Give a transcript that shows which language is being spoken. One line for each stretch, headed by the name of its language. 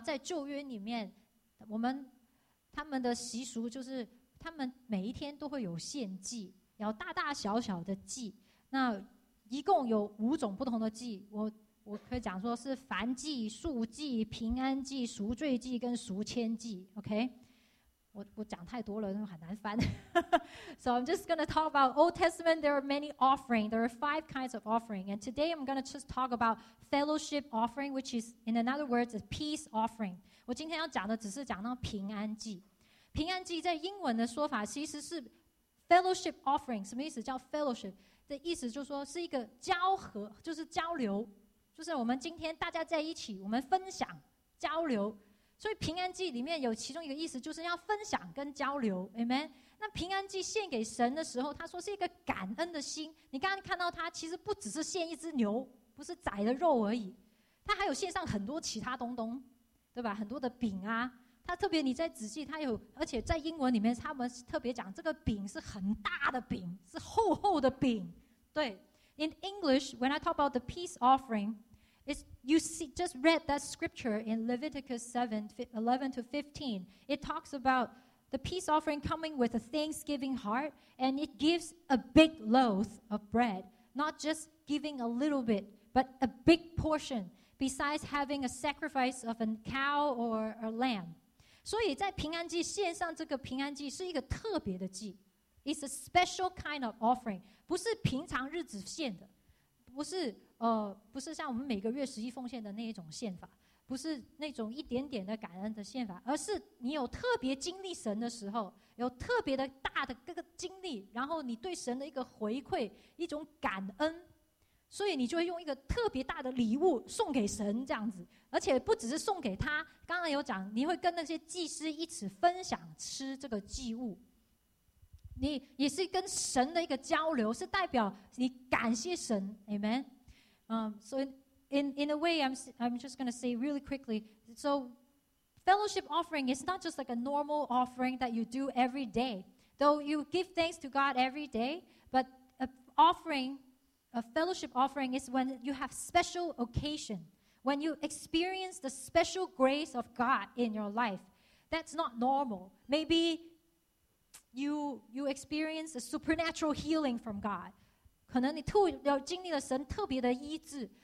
Chinese: 在旧约里面，他们的习俗就是他们每一天都会有献祭，有大大小小的祭。那一共有五种不同的祭，我可以讲说是燔祭、素祭、平安祭、赎罪祭跟赎愆祭。 OK， 我讲太多了，很难翻。
English: So I'm just going to talk about Old Testament. There are many offerings. There are five kinds of offering. And today I'm going to just talk about fellowship offering, which is, in another words, a peace offering.
Chinese: 我今天要讲的只是讲到平安祭。平安祭在英文的说法其实是 fellowship offering. 什么意思叫 fellowship? 的意思就是说是一个交合，就是交流。就是我们今天大家在一起，我们分享交流。所以平安祭里面有其中一个意思就是要分享跟交流。
English: Amen.
Chinese: 那平安祭献给神的时候，他说是一个感恩的心。你刚刚看到他其实不只是献一只牛，不是宰的肉而已，他还有献上很多其他东东，对吧？很多的饼啊，他特别你在仔细，他有，而且在英文里面他们特别讲这个饼是很大的饼，是厚厚的饼。
English: 对， In English, when I talk about the peace offering, it's, you see, just read that scripture in Leviticus 7:11-15. It talks aboutThe peace offering coming with a thanksgiving heart, and it gives a big loaf of bread, not just giving a little bit, but a big portion, besides having a sacrifice of a cow or a lamb.
Chinese: 所以在平安祭献上这个平安祭是一个特别的祭。
English: It's a special kind of offering,
Chinese: 不是平常日子献的，不是像我们每个月十一奉献的那一种献法。不是那种一点点的感恩的献法，而是你有特别经历神的时候，有特别的大的各个经历，然后你对神的一个回馈，一种感恩，所以你就会用一个特别大的礼物送给神这样子。而且不只是送给他，刚刚有讲你会跟那些祭司一起分享吃这个祭物，你也是跟神的一个交流，是代表你感谢神。
English: Amen. 所以In a way, I'm just going to say really quickly. So, fellowship offering is not just like a normal offering that you do every day. Though you give thanks to God every day, but a fellowship offering is when you have special occasion. When you experience the special grace of God in your life. That's not normal. Maybe you experience a supernatural healing from God.
Chinese: 可能你经历了神特别的医治。